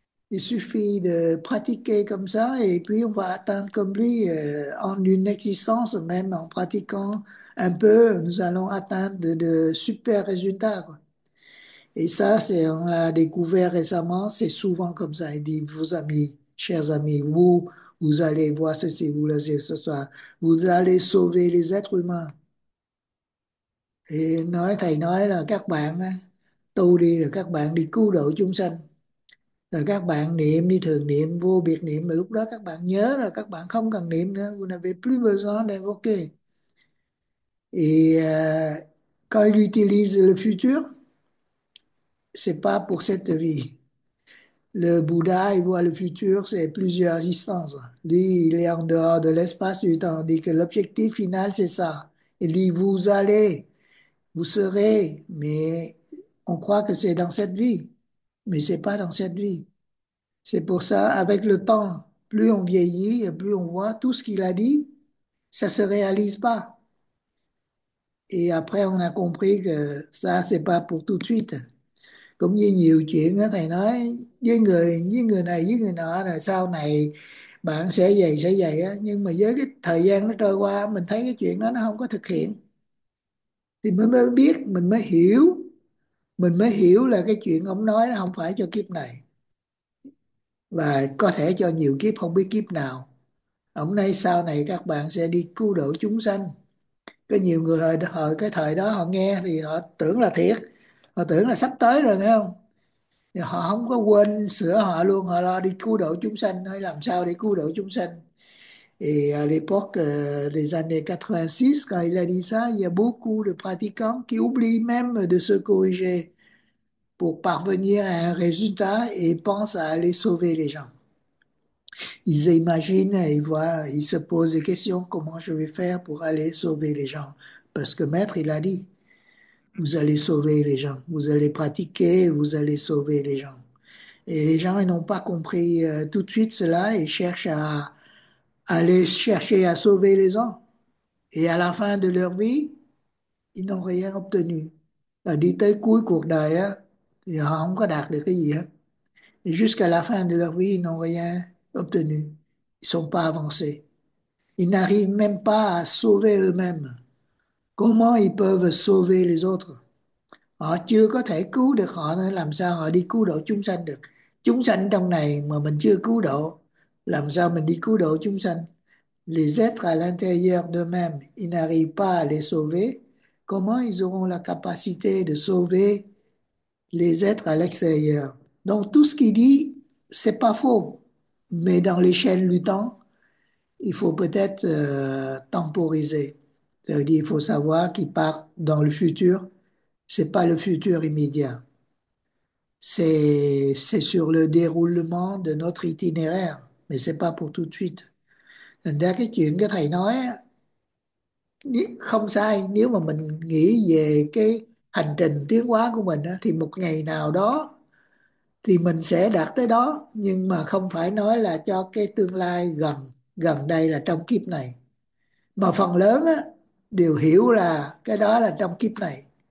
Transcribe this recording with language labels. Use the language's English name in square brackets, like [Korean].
[French] Il suffit de pratiquer comme ça et puis on va atteindre comme lui en une existence, même en pratiquant un peu, nous allons atteindre de super résultats. Et ça, on l'a découvert récemment, c'est souvent comme ça. Il dit, vos amis, chers amis, vous allez voir ceci, vous le savez ce soir, vous allez sauver les êtres humains. [Vietnamese] Et nói thầy nói là các bạn, tu đi là các bạn đi cứu độ chúng sanh. Là các bạn niệm đi thường niệm vô biệt niệm là lúc đó các bạn nhớ là các bạn không cần niệm nữa, [French] vous n'avez plus besoin d'invoquer. Et quand il utilise le futur, c'est pas pour cette vie. Le Bouddha, il voit le futur, c'est plusieurs distances. Lui, il est en dehors de l'espace du temps, dit que l'objectif final, c'est ça. Il dit, vous allez, vous serez, mais on croit que c'est dans cette vie. Mais c'est pas dans cette vie. C'est pour ça, avec le temps, plus on vieillit et plus on voit tout ce qu'il a dit, ça se réalise pas. Et après, on a compris que ça, c'est pas pour tout de suite. [Vietnamese] Cũng như nhiều chuyện đó, thầy nói với người này với người nọ là sau này bạn sẽ vậy á, nhưng mà với cái thời gian nó trôi qua mình thấy cái chuyện đó nó không có thực hiện thì mới biết, mình mới hiểu là cái chuyện ông nói nó không phải cho kiếp này và có thể cho nhiều kiếp, không biết kiếp nào. Ông nói sau này các bạn sẽ đi cứu độ chúng sanh. Có nhiều người cái thời đó họ nghe thì họ tưởng là thiệt, họ tưởng là sắp tới rồi, nghe không, thì họ không có quên sửa họ luôn, họ lo đi cứu độ chúng sanh, hay làm sao để cứu độ chúng sanh. [French] Et à l'époque des années 86, quand il a dit ça, il y a beaucoup de pratiquants qui oublient même de se corriger pour parvenir à un résultat et pensent à aller sauver les gens. Ils imaginent, ils voient, ils se posent des questions, comment je vais faire pour aller sauver les gens? Parce que Maître, il a dit, vous allez sauver les gens, vous allez pratiquer, vous allez sauver les gens. Et les gens, ils n'ont pas compris tout de suite cela et cherchent à aller chercher à sauver les gens. Et à la fin de leur vie, ils n'ont rien obtenu. [Vietnamese] À dit tới cuối cuộc đời á, [French] ils n'ont [Vietnamese] không có đạt được cái gì hết. [French] Et jusqu'à la fin de leur vie, ils n'ont rien obtenu. Ils sont pas avancés. Ils n'arrivent même pas à sauver eux-mêmes. Comment ils peuvent sauver les autres? [Vietnamese] Họ chưa có thể cứu được họ nên làm sao họ đi cứu độ chúng sanh được? Chúng sanh trong này mà mình chưa cứu độ, làm sao mình đi cứu độ chúng sanh? [French] les êtres à l'intérieur d'eux-mêmes, ils n'arrivent pas à les sauver, comment ils auront la capacité de sauver les êtres à l'extérieur? Donc tout ce qu'il dit, c'est pas faux, mais dans l'échelle du temps, il faut peut-être temporiser. C'est-à-dire qu'il faut savoir qu'il part dans le futur, c'est pas le futur immédiat. C'est sur le déroulement de notre itinéraire, mais c'est pas pour tout de suite. [Vietnamese] Đó cái chuyện cái thầy nói không sai, nếu mà mình nghĩ về cái hành trình tiến hóa của mình thì một ngày nào đó thì mình sẽ đạt tới đó, nhưng mà không phải nói là cho cái tương lai gần gần đây là trong kiếp này, mà phần lớn đều hiểu là cái đó là trong kiếp này.